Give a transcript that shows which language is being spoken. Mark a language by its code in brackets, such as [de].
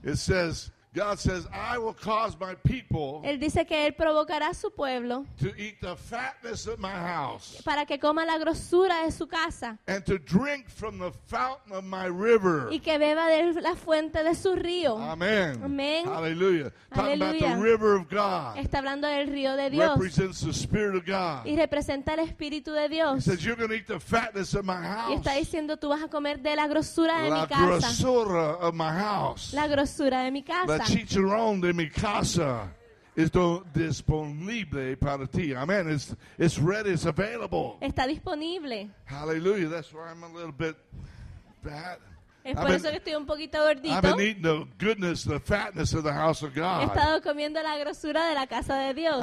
[en] It says, God says, I will cause my people. [es] Él dice que él provocará a su pueblo. [en] To eat the fatness of my house. [es] Para que coma la grosura de su casa. [en] And to drink from the fountain of my river. [es] Y que beba de la fuente de su río. [en] Amen. [es] Amen. [en] Hallelujah. [es] Hallelujah. [en] Talking about the river of God. [es] Está hablando del río de Dios. [en] Represents the spirit of God. [es] Y representa el espíritu de Dios. [en] He says, you're going to eat the fatness of my house. [es] Y está diciendo, tú vas a comer de la grosura de la mi casa. La grosura [en] of my house. [es] La grosura de mi casa. La chicharrón de mi casa es disponible para ti. [en] Amen. It's ready. It's available. [es] Está disponible. [en] Hallelujah. That's why I'm a little bit fat. [es] Es por eso que estoy un poquito gordito. [en] I've been eating the goodness, the fatness of the house of God. [es] He estado comiendo la grosura de la casa de Dios.